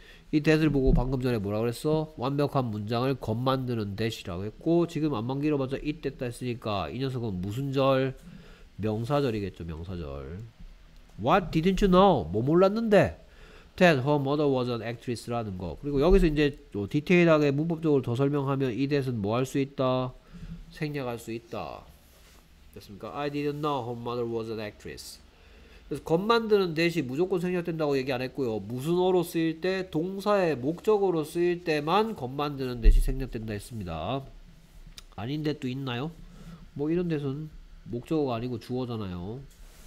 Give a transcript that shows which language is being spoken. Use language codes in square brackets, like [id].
[ko] 이 대사를 보고 방금 전에 뭐라 그랬어? 완벽한 문장을 겉 만드는 대시라고 했고 지금 안만 길어봤자 it 됐다 했으니까 이 녀석은 무슨 절? 명사절이겠죠 명사절. [en] What didn't you know? [ko] 뭐 몰랐는데? [en] That her mother was an actress라는 거. [ko] 그리고 여기서 이제 좀 디테일하게 문법적으로 더 설명하면 이 대신 뭐할수 있다? 생략할 수 있다. 됐습니까? [en] I didn't know her mother was an actress. [ko] 그래서 겉 만드는 대시 무조건 생략된다고 얘기 안 했고요. 무슨어로 쓰일 때 동사의 목적으로 쓰일 때만 겉 만드는 대시 생략된다 했습니다. 아닌데 또 있나요? 뭐 이런 데선 목적어가 아니고 주어잖아요.